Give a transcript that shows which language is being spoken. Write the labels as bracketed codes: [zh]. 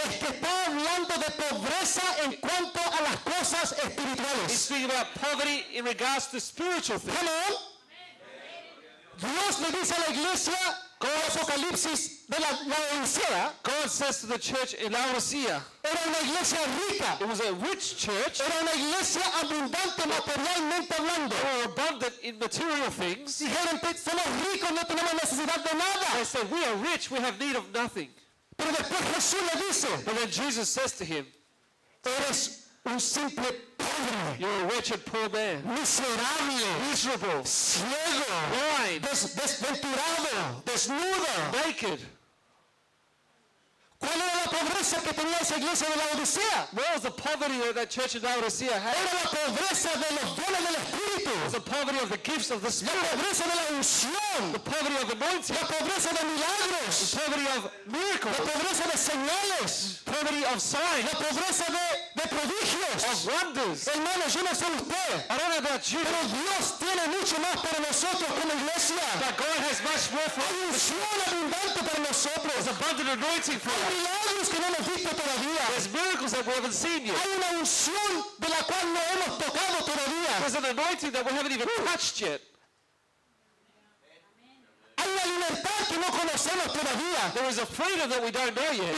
[es] Es que está hablando de pobreza en cuanto a las cosas espirituales. [en] He's speaking about poverty in regards to spiritual things. [es] Hello. Dios le dice a la iglesia. [en] God, [es] Apocalipsis de la Laodicea. [en] God says to the church in Laodicea. [es] Era una iglesia rica. [en] It was a rich church. [es] Era una iglesia abundante materialmente hablando. [en] They were abundant in material things. [es] Dijeron, somos ricos, no tenemos necesidad de nada. [en] They said, we are rich, we have need of nothing. [es] Pero después Jesús le dice. [en] But then Jesus says to him, [es] eres un simple pobre. [en] You're a wretched poor man. [es] Miserable. [en] Miserable. [es] Ciego. [en] Blind. [es] Desventurado. Desnudo. [en] Naked. [es] ¿Cuál era la pobreza que tenía esa iglesia de la Odisea? [en] Where was the poverty that that church in Laodicea had? [es] Era la pobreza de los dones del Espíritu. [en] It was the poverty of the gifts of the Spirit. [es] La pobreza de la unción. [en] The poverty of the anointing. [es] La pobreza de milagros. [en] The poverty of miracles. [es] La pobreza de señales. [en] Poverty of signs. [es] La pobreza de prodigios. [en] Of wonders. [es] Hermano, yo no sé usted. [en] I don't know about you. [es] Pero Dios tiene mucho más para nosotros como iglesia. [en] But God has much more for [es] us. Unción abundante para nosotros. [en] There's abundant anointing for us. [es] Milagros que no hemos visto todavía. [en] There's miracles that we haven't seen yet. [es] Hay una unción de la cual no hemos tocado todavía. [en] There's an anointing that we haven't even touched yet. [es] Hay una libertad que no conocemos todavía. [en] There is a freedom that we don't know yet.